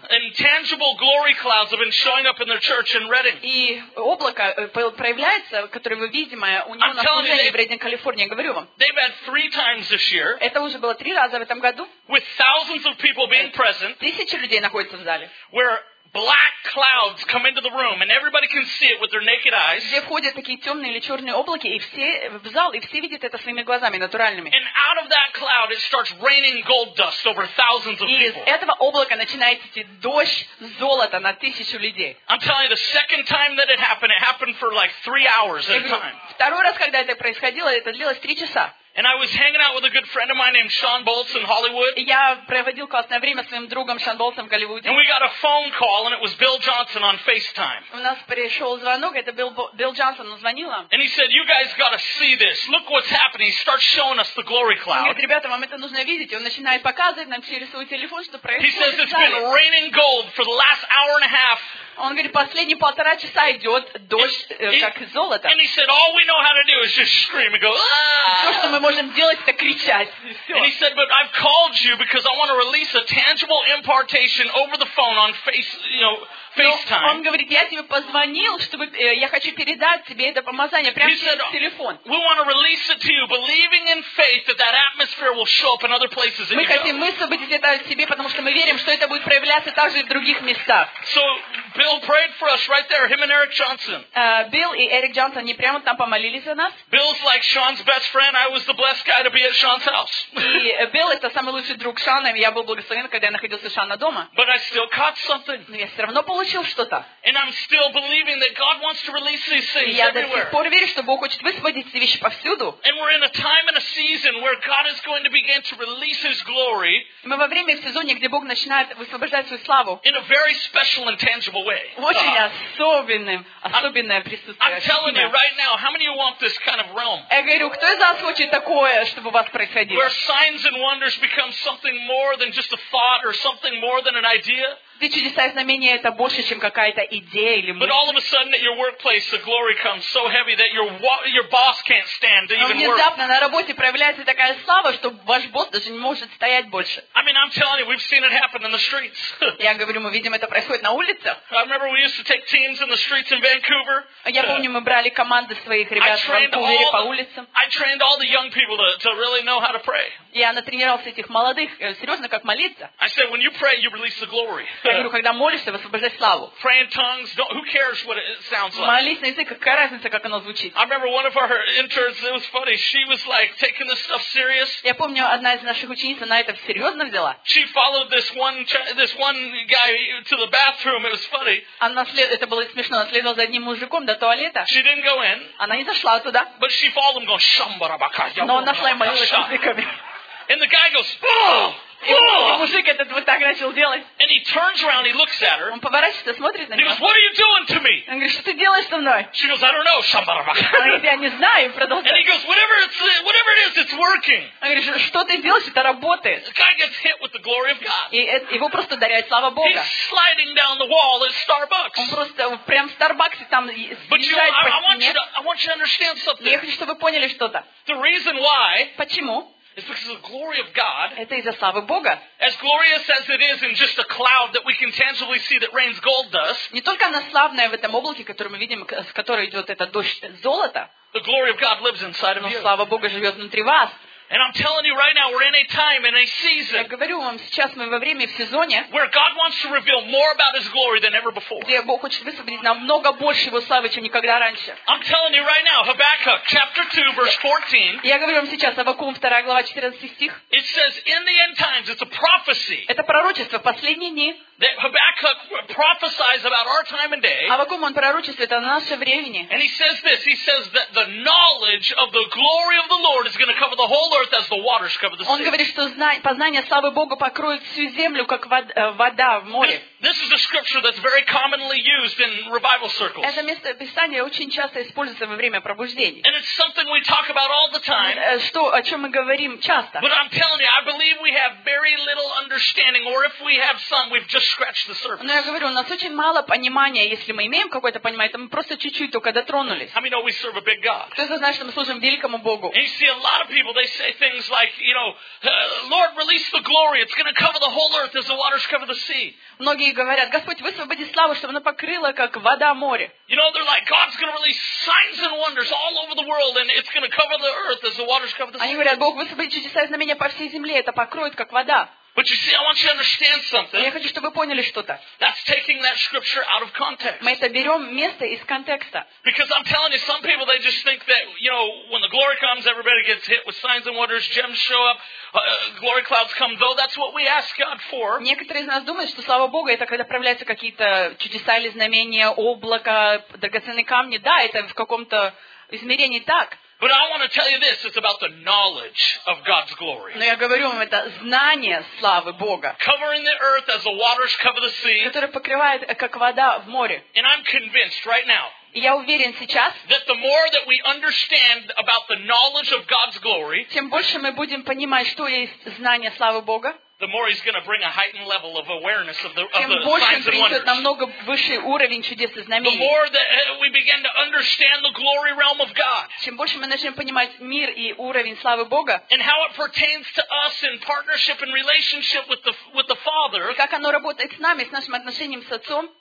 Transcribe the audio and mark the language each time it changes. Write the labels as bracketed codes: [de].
[en] Intangible glory clouds have been showing up in their church in Redding. [ru] И облако проявляется, которое вы видимое у него на служении в Реддинг, Калифорния. Говорю вам. [en] They've had three times this year. [ru] Это уже было три раза в этом году. [en] With thousands of people being present. [ru] Тысячи людей находятся в зале. [en] Where black clouds come into the room and everybody can see it with their naked eyes. [ru] Где входят такие темные или черные облаки, и все в зал, и все видят это своими глазами натуральными. [en] And out of that cloud it starts raining gold dust over thousands of people. [ru] И из этого облака начинается дождь золота на тысячу людей. [en] I'm telling you, the second time that it happened for like 3 hours at a time. [ru] Второй раз, когда это происходило, это длилось 3 часа. [en] And I was hanging out with a good friend of mine named Sean Bolts in Hollywood. [ru] Я проводил классное время с своим другом Шон Болтсом в Голливуде. [en] And we got a phone call, and it was Bill Johnson on FaceTime. [ru] У нас пришел звонок, это Билл Джонсон, он звонил нам. [en] And he said, "You guys got to see this. Look what's happening." He starts showing us the glory cloud. [ru] Говорит, ребята, вам это нужно видеть. И он начинает показывать нам через свой телефон, что происходит. [en] He says it's been raining gold for the last hour and a half. [ru] Он говорит, последние полтора часа идет дождь, как золото. [en] And he said, "All we know how to do is just scream and go." [ru] Мы можем делать это кричать. [en] And he said, "But I've called you because I want to release a tangible impartation over the phone on FaceTime." [ru] Он говорит, я тебе позвонил, чтобы я хочу передать тебе это помазание прямо через телефон. [en] "We want to release it to you, believing in faith that that atmosphere will show up in other places." [ru] Мы хотим высвободить это себе, потому что мы верим, что это будет проявляться также в других местах. [en] So Bill prayed for us right there, him and Eric Johnson. [ru] Bill и Eric Johnson, они прямо там помолились за нас. [en] Bill's like Sean's best friend. I was the blessed guy to be at Sean's house. [ru] И Билл это самый лучший друг Шана, и я был благословен, когда я находился Шана дома. [en] But I still caught something. [ru] Но я все равно получил что-то. [en] And I'm still believing that God wants to release these things everywhere. [ru] Я до сих пор верю, что Бог хочет высвободить эти вещи повсюду. [en] And we're in a time and a season where God is going to begin to release His glory. [ru] Мы во время в сезоне, где Бог начинает высвобождать свою славу. [en] In a very special and tangible way. [ru] Очень особенным, особенное присутствие. [en] I'm telling you right now, how many of you want this kind of realm? [ru] Я говорю, кто из вас хочет такое, чтобы у вас происходило? [en] Where signs and wonders become something more than just a thought or something more than an idea? [ru] Где чудеса и знамения это больше, чем какая-то идея или мысль. [en] But all of a sudden at your workplace the glory comes so heavy that your boss can't stand to even work. [ru] Внезапно на работе проявляется такая слава, что ваш босс даже не может стоять больше. [en] I mean, I'm telling you, we've seen it happen in the streets. [ru] Я говорю, мы видим это происходит на улицах. [en] I remember we used to take teams in the streets in Vancouver. [ru] Я помню, мы брали команды своих ребят в Ванкувере по улицам. [en] I trained all the young people to really know how to pray. [ru] Я натренировался этих молодых серьезно, как молиться. [en] I said, "When you pray, you release the glory." [ru] Я говорю, когда молишься, высвобождай славу. Молись на языке, какая разница, как оно звучит. [en] I remember one of our interns, it was funny, she was like taking this stuff serious. [ru] Я помню, одна из наших учениц, она это серьезно взяла. [en] She followed this one guy to the bathroom, it was funny. [ru] Это было смешно, она следовала за одним мужиком до туалета. [en] She didn't go in. [ru] Она не зашла туда. [en] But she followed him going, "Шамбарабака, [ru] я буду". Но она шла и молилась языками. [en] And the guy goes, "Ugh!" [ru] И мужик этот вот так начал делать. [en] Around, her, [ru] он поворачивается, смотрит на него. [en] Goes, "What are you doing to me?" [ru] Он говорит, что ты делаешь со мной? [en] She goes, "I don't know, Шамбарабака." [ru] Он говорит, я не знаю, продолжает. [en] And he goes, whatever it is, it's working. [ru] Он говорит, что ты делаешь, это работает. [en] The guy gets hit with the glory of God. [ru] И его просто ударяет слава Бога. [en] He's sliding down the wall at Starbucks. [ru] Он просто прям в Старбаксе там съезжает по стене. [en] I want you to understand something. [ru] Я хочу, чтобы вы поняли что-то. [en] The reason why. [ru] Почему? [en] It's because of the glory of God. [ru] Это из-за славы Бога. [en] As glorious as it is in just a cloud that we can tangibly see that rains gold dust. [ru] Не только она славная в этом облаке, который мы видим, с которой идет этот дождь золота. [en] The glory of God lives inside of you. [ru] Но слава Бога живет внутри вас. [en] And I'm telling you right now, we're in a time, in a season. [ru] Я говорю вам сейчас, мы во время, в сезоне. [en] Where God wants to reveal more about His glory than ever before. [ru] Где Бог хочет высвободить намного больше Его славы, чем никогда раньше. [en] I'm telling you right now, Habakkuk chapter 2, verse 14. [ru] Я говорю вам сейчас, Аввакум 2 глава 14 стих. [en] It says, "In the end times, it's a prophecy." [ru] Это пророчество последние дни. [en] That Habakkuk prophesies about our time and day. [ru] Аввакум он пророчествует о наше времени. [en] And he says this. He says that the knowledge of the glory of the Lord is going to cover the whole earth as the waters cover the sea. [ru] Он говорит, что познание славы Бога покроет всю землю, как вода в море. [en] This is a scripture that's very commonly used in revival circles. [ru] Это место Писания очень часто используется во время пробуждений. [en] And it's something we talk about all the time. [ru] Что о чем мы говорим часто. [en] But I'm telling you, I believe we have very little understanding. understanding, or if we have some, we've just scratched the surface. [ru] Но я говорю, у нас очень мало понимания, если мы имеем какое-то понимание, то мы просто чуть-чуть только дотронулись. [en] How many know we serve a big God? [ru] Кто же знает, что мы служим великому Богу? [en] You see, a lot of people, they say things like, you know, Lord, release the glory. It's going to cover the whole earth as the waters cover the sea. [ru] Многие говорят, Господь, высвободи славу, чтобы она покрыла, как вода море. [en] You know, they're like, God's going to release signs and wonders all over the world, and it's going to cover the earth as the waters cover the sea. [ru] Они говорят, Бог, высвободи чудеса и знамения по всей земле, это покроет, как вода. [en] But you see, I want you to understand something. [ru] Я хочу, чтобы вы поняли что-то. [en] That's taking that scripture out of context. [ru] Мы это берем место из контекста. [en] Because I'm telling you, some people, they just think that, you know, when the glory comes, everybody gets hit with signs and wonders, gems show up, glory clouds come, though that's what we ask God for. [ru] Некоторые из нас думают, что слава Богу, это когда проявляются какие-то чудеса или знамения, облака, драгоценные камни. Да, это в каком-то измерении так. [en] But I want to tell you this, it's about the knowledge of God's glory. [ru] Но я говорю вам, это знание славы Бога. [en] Covering the earth as the waters cover the sea. [ru] Которое покрывает, как вода в море. [en] And I'm convinced right now. [ru] Я уверен сейчас, [en] that the more that we understand about the knowledge of God's glory, [ru] тем больше мы будем понимать, что есть знание славы Бога. [en] The more he's going to bring a heightened level of awareness of the signs and wonders. The more that we begin to understand the glory realm of God. And how it pertains to us in partnership and relationship with the Father. [ru] Как оно работает с нами, с нашим отношением с Отцом.